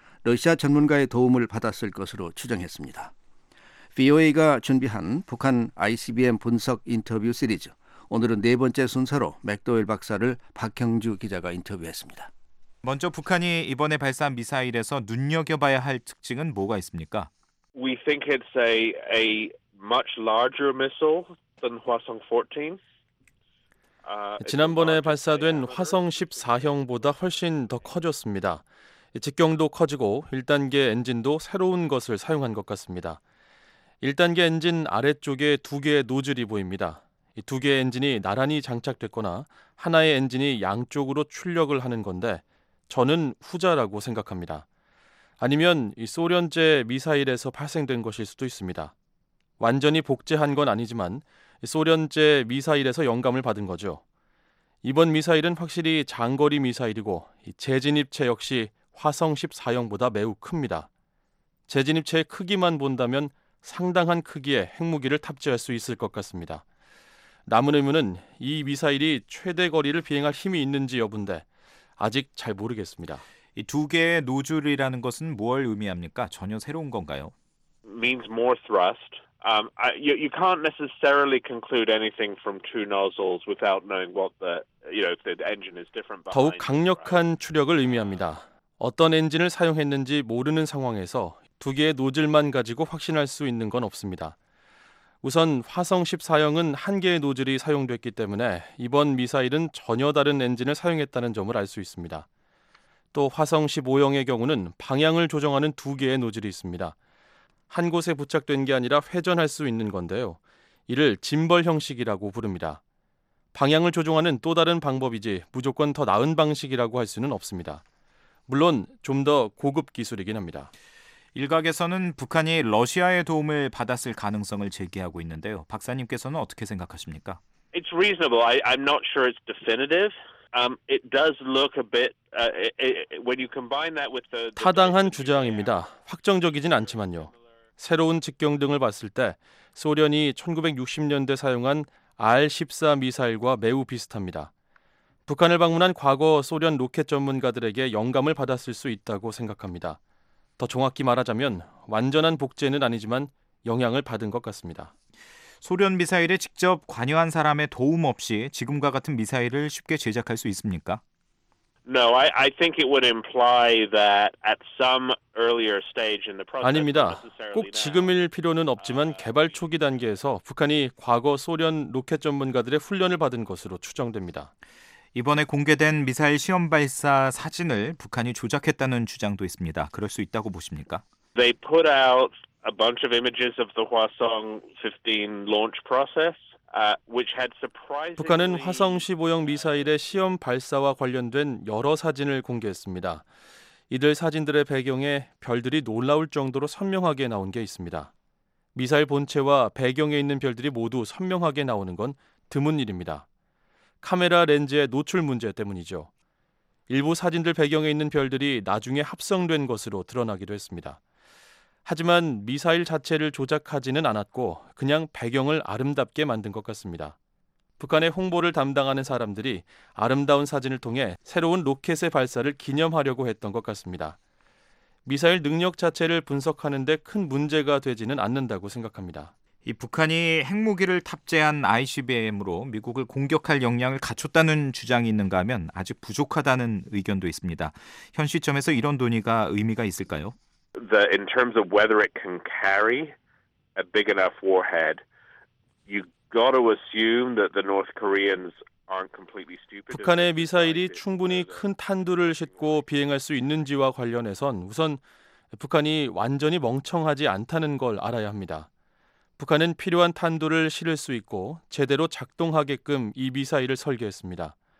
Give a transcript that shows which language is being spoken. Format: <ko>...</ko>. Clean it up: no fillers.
<ko>러시아 전문가의 도움을 받았을 것으로 추정했습니다. VOA가 준비한 북한 ICBM 분석 인터뷰 시리즈, 오늘은 네 번째 순서로 맥도웰 박사를 박형주 기자가 인터뷰했습니다. 먼저 북한이 이번에 발사한 미사일에서 눈여겨봐야 할 특징은 뭐가 있습니까?</ko> <en>We think it's a much larger missile than 화성 14.</en> <ko>지난번에 발사된 화성 14형보다 훨씬 더 커졌습니다. 직경도 커지고 1단계 엔진도 새로운 것을 사용한 것 같습니다. 1단계 엔진 아래쪽에 두 개의 노즐이 보입니다. 두 개의 엔진이 나란히 장착됐거나 하나의 엔진이 양쪽으로 출력을 하는 건데 저는 후자라고 생각합니다. 아니면 이 소련제 미사일에서 발생된 것일 수도 있습니다. 완전히 복제한 건 아니지만 소련제 미사일에서 영감을 받은 거죠. 이번 미사일은 확실히 장거리 미사일이고 재진입체 역시 화성 14형보다 매우 큽니다. 재진입체의 크기만 본다면 상당한 크기의 핵무기를 탑재할 수 있을 것 같습니다. 남은 의문은 이 미사일이 최대 거리를 비행할 힘이 있는지 여부인데 아직 잘 모르겠습니다. 이 두 개의 노즐이라는 것은 뭘 의미합니까? 전혀 새로운 건가요?</ko> <en>Means more thrust. You can't necessarily conclude anything from two nozzles without knowing what the, you know, if the engine is different.</en> <ko>더욱 강력한 출력을 의미합니다. 어떤 엔진을 사용했는지 모르는 상황에서 두 개의 노즐만 가지고 확신할 수 있는 건 없습니다. 우선 화성 14형은 한 개의 노즐이 사용됐기 때문에 이번 미사일은 전혀 다른 엔진을 사용했다는 점을 알 수 있습니다. 또 화성 15형의 경우는 방향을 조정하는 두 개의 노즐이 있습니다. 한 곳에 부착된 게 아니라 회전할 수 있는 건데요. 이를 짐벌 형식이라고 부릅니다. 방향을 조정하는 또 다른 방법이지 무조건 더 나은 방식이라고 할 수는 없습니다. 물론 좀 더 고급 기술이긴 합니다. 일각에서는 북한이 러시아의 도움을 받았을 가능성을 제기하고 있는데요. 박사님께서는 어떻게 생각하십니까?</ko> <en>It's reasonable. I'm not sure it's definitive. It does look a bit when you combine that with the</en> <ko>타당한 주장입니다. 확정적이진 않지만요. 새로운 직경 등을 봤을 때 소련이 1960년대 사용한 R-14 미사일과 매우 비슷합니다. 북한을 방문한 과거 소련 로켓 전문가들에게 영감을 받았을 수 있다고 생각합니다. 더 정확히 말하자면 완전한 복제는 아니지만 영향을 받은 것 같습니다. 소련 미사일에 직접 관여한 사람의 도움 없이 지금과 같은 미사일을 쉽게 제작할 수 있습니까?</ko> <en>No, I think it would imply that at some earlier stage in the process.</en> <ko>아닙니다. 꼭 지금일 필요는 없지만 개발 초기 단계에서 북한이 과거 소련 로켓 전문가들의 훈련을 받은 것으로 추정됩니다. 이번에 공개된 미사일 시험 발사 사진을 북한이 조작했다는 주장도 있습니다. 그럴 수 있다고 보십니까?</ko> <en>They put out a bunch of images of the Hwasong-15 launch process.</en> <ko>북한은 화성 15형 미사일의 시험 발사와 관련된 여러 사진을 공개했습니다. 이들 사진들의 배경에 별들이 놀라울 정도로 선명하게 나온 게 있습니다. 미사일 본체와 배경에 있는 별들이 모두 선명하게 나오는 건 드문 일입니다. 카메라 렌즈의 노출 문제 때문이죠. 일부 사진들 배경에 있는 별들이 나중에 합성된 것으로 드러나기도 했습니다. 하지만 미사일 자체를 조작하지는 않았고 그냥 배경을 아름답게 만든 것 같습니다. 북한의 홍보를 담당하는 사람들이 아름다운 사진을 통해 새로운 로켓의 발사를 기념하려고 했던 것 같습니다. 미사일 능력 자체를 분석하는 데 큰 문제가 되지는 않는다고 생각합니다. 이 북한이 핵무기를 탑재한 ICBM으로 미국을 공격할 역량을 갖췄다는 주장이 있는가 하면 아직 부족하다는 의견도 있습니다. 현 시점에서 이런 논의가 의미가 있을까요?</ko> <en>In terms of whether it can carry a big enough warhead, you got to assume that the North Koreans aren't completely stupid.</en> <ko>북한의 미사일이 충분히 큰 탄두를 싣고 비행할 수 있는지와 관련해선 우선 북한이 완전히 멍청하지 않다는 걸 알아야 합니다. 북한은 필요한 탄두를 실을 수 있고 제대로 작동하게끔 이 미사일을 설계했습니다.</ko>